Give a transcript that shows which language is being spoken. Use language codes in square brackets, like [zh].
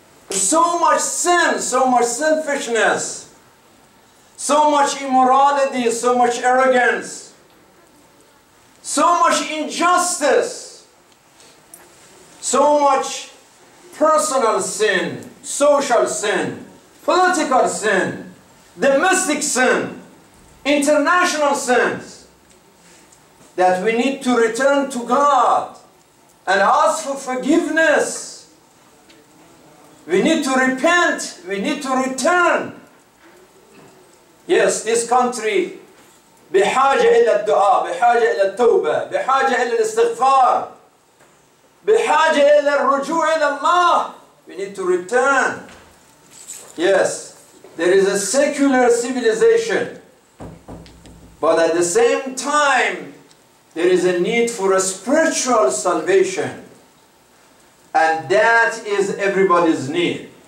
[en] So much sin, so much selfishness, so much immorality, so much arrogance, so much injustice, so much personal sin, social sin, political sin, domestic sin, international sins, that we need to return to God and ask for forgiveness. We need to repent. We need to return. Yes, this country [ar] بحاجة إلى الدعاء، بحاجة إلى التوبة، بحاجة إلى الاستغفار، بحاجة إلى الرجوع إلى الله. [en] We need to return. Yes, there is a secular civilization, but at the same time, there is a need for a spiritual salvation, and that is everybody's need.